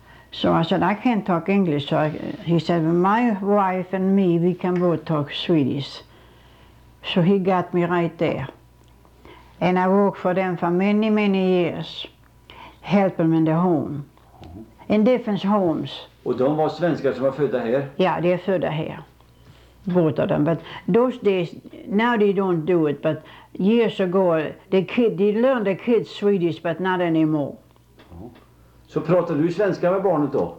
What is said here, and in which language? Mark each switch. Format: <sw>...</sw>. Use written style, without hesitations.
<en>So I said, I can't talk English. So he said, my wife and me, we can both talk Swedish. So he got me right there. And I worked for them for many, many years, helping them in the home, in different homes.</en> <sv>Och de var svenskar som var födda här? Ja, de är födda här,</sv> <en>both of them. But those days, now they don't do it. But years ago, they learned the kids Swedish, but not anymore.</en> <sv>Så pratade du svenska med barnet då?</sv>